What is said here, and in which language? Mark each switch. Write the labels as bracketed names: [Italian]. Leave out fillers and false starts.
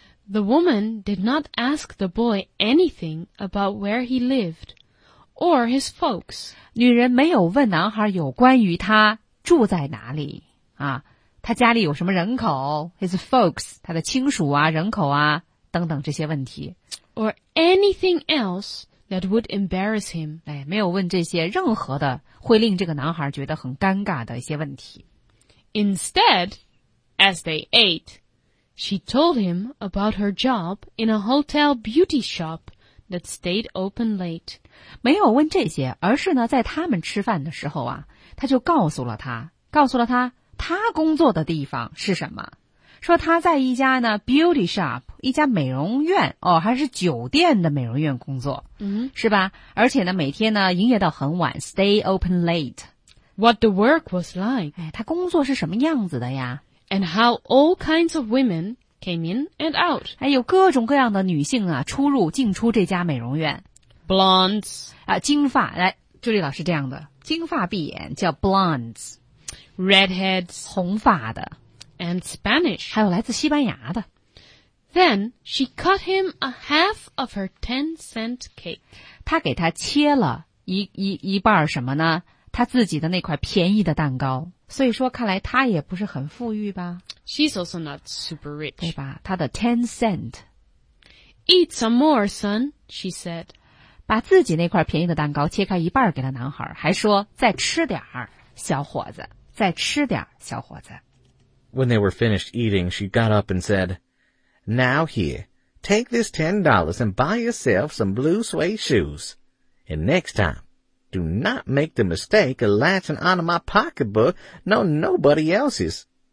[English] The woman did not ask the boy anything about where he lived, or his folks. [Chinese] 女人没有问男孩有关于他住在哪里啊，他家里有什么人口 ， [English] his folks, [Chinese] 他的亲属啊，人口啊，等等这些问题。 [English] Or anything else. That would embarrass him. [Chinese] 哎，没有问这些任何的会令这个男孩觉得很尴尬的一些问题。 [English] Instead, as they ate, she told him about her job in a hotel beauty shop that stayed open late. [Chinese] 没有问这些，而是呢，在他们吃饭的时候啊，他就告诉了他，告诉了他，他工作的地方是什么。说他在一家呢 beauty shop, 一家美容院哦，还是酒店的美容院工作。嗯、mm-hmm. 是吧，而且呢每天呢营业到很晚 , [English] stay open late。 What the work was like? [Chinese] 哎，他工作是什么样子的呀 [English] ?And how all kinds of women came in and out? [Chinese] 哎，有各种各样的女性啊出入进出这家美容院。 [English] Blondes. [Chinese] 啊，金发，来，朱莉老师这样的。金发碧眼叫 blondes。 [English] Redheads. [Chinese] 红发的。 [English] And Spanish. [Chinese] 还有来自西班牙的。 [English] Then she cut him a half of her 10-cent cake. [Chinese] 她给他切了一半什么呢？她自己的那块便宜的蛋糕。所以说看来她也不是很富裕吧。 [English] She's also not super rich. [Chinese] 对吧？她的 10-cent. [English] Eat some more, son, she said. [Chinese] 把自己那块便宜的蛋糕切开一半给了男孩，还说再吃点儿，小伙子，再吃点儿，小伙子。 [English] When they were finished eating, she got up and said, Now here, take this $10 and buy yourself some blue suede shoes. And next time, do not make the mistake of latching onto my pocketbook, nor nobody else's.